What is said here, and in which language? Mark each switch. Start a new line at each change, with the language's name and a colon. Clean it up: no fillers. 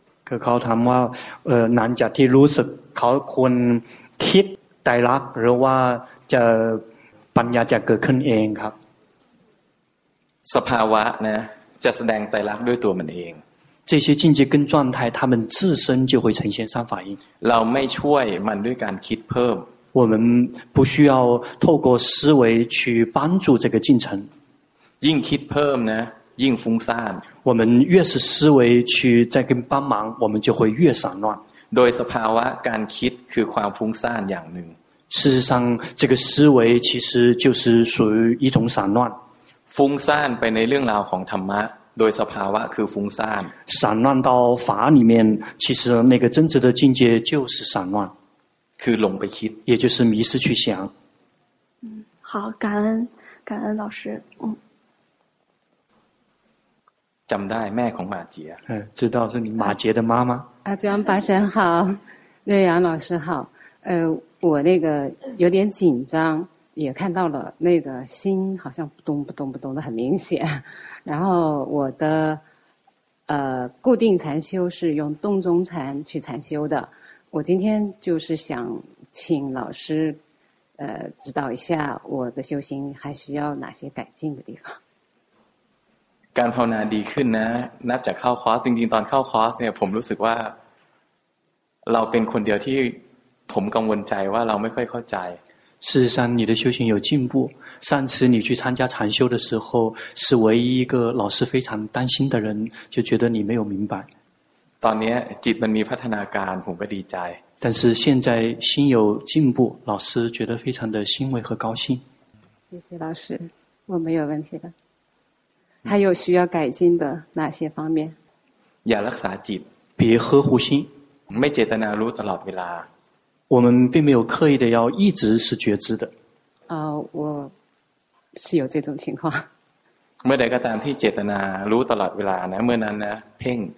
Thai: คือเขาถามว่าหลังจากที่รู้สึกเขาควรคิดไตรลักษณ์หรือว่าจะปัญญาจะเกิดขึ้นเองครับ สภาวะนะจะแสดงไตรลักษณ์ด้วยตัวมันเอง
Chinese: 这些境界跟状态它们自身就会呈现三法印
Thai: เราไม่ช่วยมันด้วยการคิดเพิ่ม
Chinese: 我们不需要透过思维去帮助这个进程
Thai: ยิ่งคิดเพิ่มนะยิ่งฟุ้งซ่าน
Chinese: 我们越是思维去再跟帮忙我们就会越散乱
Thai: โดยสภาวะการคิดคือความฟุ้งซ่านอย่างหนึ่ง
Chinese: 事实上这个思维其实就是属于一种散乱
Thai: ฟุ้งซ่านไปในเรื่องราวของธรรมะโดยสภาวะคือฟุ้งซ่าน
Chinese: 散乱到法里面其实那个真实的境界就是散乱
Thai: คือหลงไปคิด
Chinese: 也就是迷失去想好感恩老师
Thai: จำได้แม่ของ马杰
Chinese: 知道是你马杰的妈妈阿江巴神好，瑞阳老师好。我那个有点紧张，也看到了那个心好像不动不动不动的很明显。然后我的固定禅修是用洞中禅去禅修的。我今天就是想请老师指导一下我的修行还需要哪些改进的地方。
Thai: การภาวนาดีขึ้นนะนับจากเข้าคอร์สจริงๆตอนเข้าคอร์สเนี่ยผมรู้สึกว่าเราเป็นคนเดียวที่ผมกังวลใจว่าเราไม่ค่อยเข้าใจ
Chinese: 事实上你的修行有进步上次你去参加禅修的时候是唯一一个老师非常担心的人就觉得你没有明白
Thai: ตอนนี้จิตมันมีพัฒนาการผมก็ดีใจ
Chinese: 但是现在心有进步老师觉得非常的欣慰和高兴谢谢老师我没有问题了还有需要改进的哪些方面？
Thai: อย่ารักษาจิต
Chinese: 别呵护心
Thai: ไม่เจตนารู้ตลอดเวลา
Chinese: 我们并没有刻意的要一直是觉知的我是有这种情况
Thai: เมื่อใดก็ตามที่เจตนารู้ตลอดเวลานะเมื่อนั้นนะเพ่ง